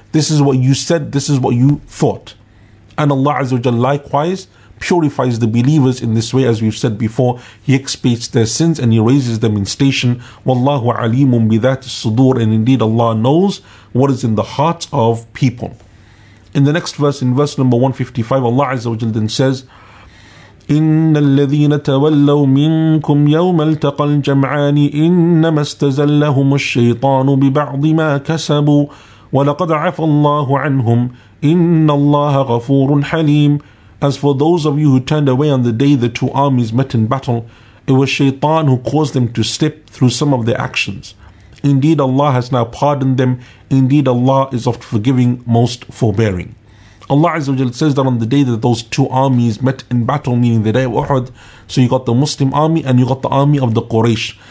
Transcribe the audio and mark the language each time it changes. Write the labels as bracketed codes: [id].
[en] This is what you said, this is what you thought. And Allah Azza wa Jal likewise purifies the believers in this way, as we've said before. He expiates their sins and He raises them in station. [ar] Wallahu alimun bidhati sudur. [en] And indeed Allah knows what is in the hearts of people. In the next verse, in verse number 155, Allah Azza wa Jal then says, [ar] إِنَّ الَّذِينَ تَوَلَّوْا مِنْكُمْ يَوْمَ الْتَقَى الْجَمْعَانِ إِنَّمَا اسْتَزَلَّهُمُ الشَّيْطَانُ بِبَعْضِ مَا كَسَبُوا وَلَقَدْ عَفَى اللَّهُ عَنْهُمْ إِنَّ اللَّهَ غَفُورٌ حَلِيمٌ. [en] As for those of you who turned away on the day the two armies met in battle, it was Shaytan who caused them to slip through some of their actions. Indeed Allah has now pardoned them. Indeed Allah is of forgiving, most forbearing. Allah Azza wa Jalla says that on the day that those two armies met in battle, meaning the day of Uhud, so you got the Muslim army and you got the army of the Quraysh.